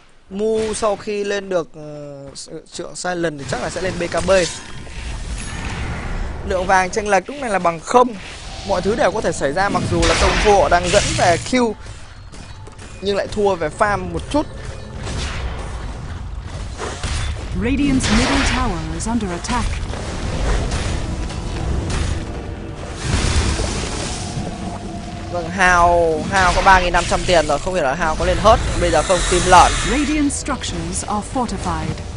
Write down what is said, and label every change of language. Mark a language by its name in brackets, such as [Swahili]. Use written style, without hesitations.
[Vietnamese] Mu sau khi lên được trượng Silent thì chắc là sẽ lên BKB. Lượng vàng chênh lệch lúc này là bằng 0. Mọi thứ đều có thể xảy ra, mặc dù là Tông Phu họ đang dẫn về Q nhưng lại thua về farm một chút. [English] Radiant's middle tower is under attack. [Vietnamese] Vâng, Hào có 3500 tiền rồi, không hiểu là Hào có lên hớt bây giờ không, tìm lợn. [English] Radiant structures are fortified.